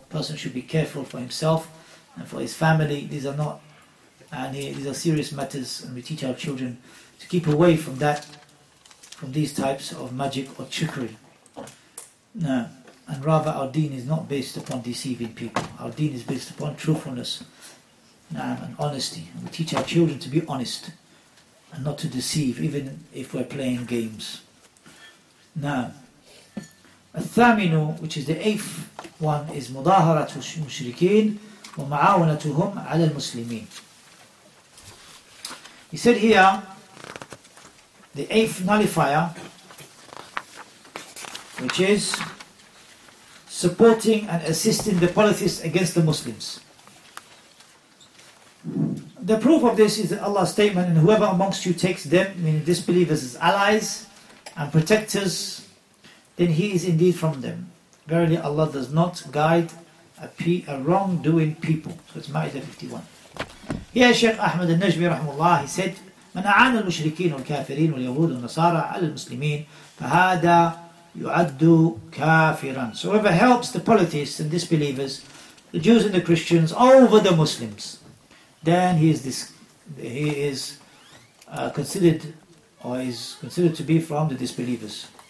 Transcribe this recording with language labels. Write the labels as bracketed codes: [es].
[en] Person should be careful for himself and for his family. These are not, these are serious matters, and we teach our children to keep away from that, from these types of magic or trickery. No. And rather, our deen is not based upon deceiving people. Our deen is based upon truthfulness and honesty. We teach our children to be honest and not to deceive, even if we're playing games. Now, الثامنو, which is the eighth one, is [ar] مضاهرة المشركين ومعاونتهم على المسلمين. [en] He said here, the eighth nullifier, which is supporting and assisting the polytheists against the Muslims. The proof of this is Allah's statement, and whoever amongst you takes them, meaning disbelievers, as allies and protectors, then he is indeed from them. Verily, Allah does not guide a wrongdoing people. So it's Ma'idah 51. Here, Shaykh Ahmad al-Najmi, rahimahullah, he said, [ar] من أعان المشركين والكافرين واليهود والنصارى على المسلمين فهذا يعد كافرا. [en] So whoever helps the polytheists and disbelievers, the Jews and the Christians, over the Muslims, then he is considered to be from the disbelievers.